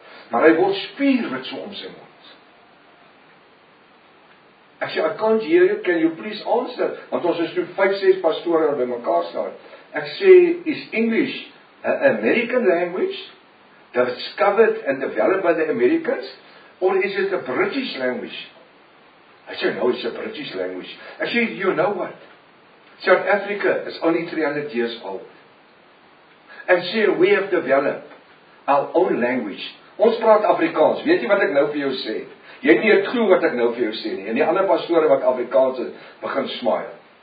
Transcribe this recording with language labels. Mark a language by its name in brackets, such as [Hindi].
[Afrikaans] Maar hy word spier met so om sy mond. Ek sê, [English] "I can't hear you, can you please answer?" [Afrikaans] Want ons is toe 5-6 pastore by mekaar staan. Ek sê, [English] "Is English an American language that was discovered and developed by the Americans, or is it a British language?" [Afrikaans] Hy sê, [English] "No, it's a British language." [Afrikaans] Ek sê, [English] "You know what? South Africa is only 300 years old. And sê, we have developed our own language." [Afrikaans] Ons praat Afrikaans, weet jy wat ek nou vir jou sê? Jy het nie een clue wat ek nou vir jou sê nie. En die ander pastore wat Afrikaans het, begin smile.